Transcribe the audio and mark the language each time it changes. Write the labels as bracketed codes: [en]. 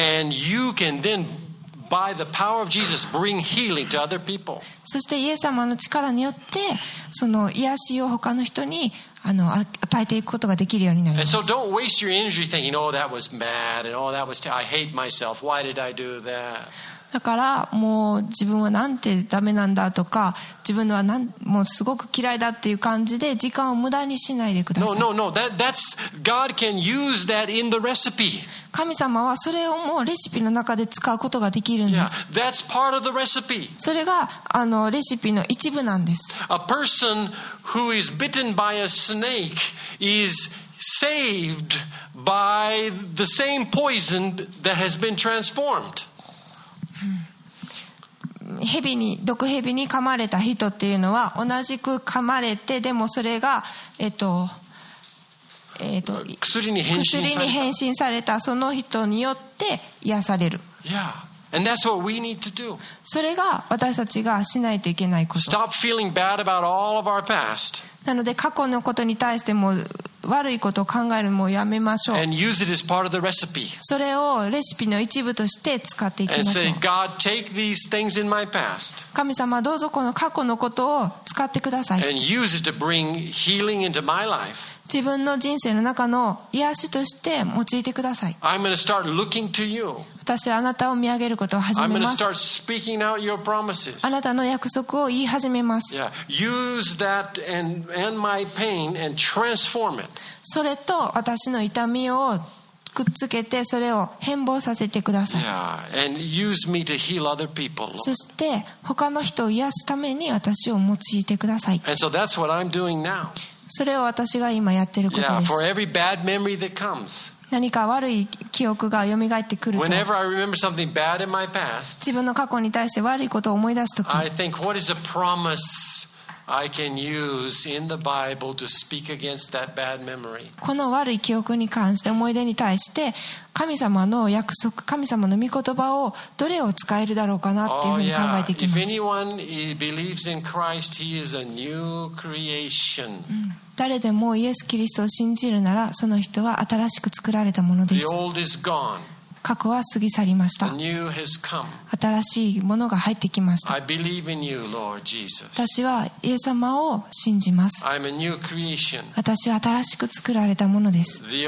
[en] And you can then, by the power of Jesus, bring healing to other people. [ja] そしてイエス様の力によってその癒しを他の人に与えていくことができるようになります。 [en] And so don't waste your injury thinking, oh, that was bad, and oh, that was I hate myself. Why did I do that? [ja] だからもう自分はなんてダメなんだとか自分はもうすごく嫌いだっていう感じで時間を無駄にしないでください。 [en] No, no, no. That's God can use that in the recipe. [ja] 神様はそれをもうレシピの中で使うことができるんです。 [en] Yeah, that's part of the recipe. [ja] それがレシピの一部なんです。 [en] A person who is bitten by a snake is saved by the same poison that has been transformed. [ja] 蛇に毒蛇に噛まれた人っていうのは同じく噛まれてでもそれが薬に変身されたその人によって癒される。 [en] Yeah. And that's what we need to do. [ja] それが私たちがしないといけないこと。 [en] Stop feeling bad about all of our past. [ja] なので過去のことに対しても悪いことを考えるのもやめましょう。 [en] And use it as part of the recipe. [ja] それをレシピの一部として使っていきましょう。 [en] And say, God, take these things in my past. [ja] 神様どうぞこの過去のことを使ってください。 [en] And use it to bring healing into my life. [ja] 自分の人生の中の癒しとして用いてください。 [en] I'm going to start looking to you. [ja] 私はあなたを見上げることを始めます。 [en] I'm going to start speaking out your promises. [ja] あなたの約束を言い始めます。 [en] Yeah. Use that and my pain and transform it. [ja] それと私の痛みをくっつけてそれを変貌させてください。 [en] Yeah, and use me to heal other people. [ja] そして他の人を癒すために私を用いてください。 [en] And so that's what I'm doing now. [ja] それを私が今やってることです。 [en] Yeah, for every bad memory that comes. [ja] 何か悪い記憶が蘇ってくると [en] Whenever I remember something bad in my past, [ja] 自分の過去に対して悪いことを思い出すとき [en] I think what is a promiseI can use in the Bible to speak against that bad memory. [ja] この悪い記憶に関して思い出に対して神様の約束、神様の御言葉をどれを使えるだろうかなっていうふうに考えていきます。 [en] If anyone believes in Christ, he is a new creation. [ja] 誰でもイエス・キリストを信じるならその人は新しく作られたものです。 [en] The old is gone. [ja] 過去は過ぎ去りました。新しいものが入ってきました。私はイエス様を信じます。私は新しく作られたものです。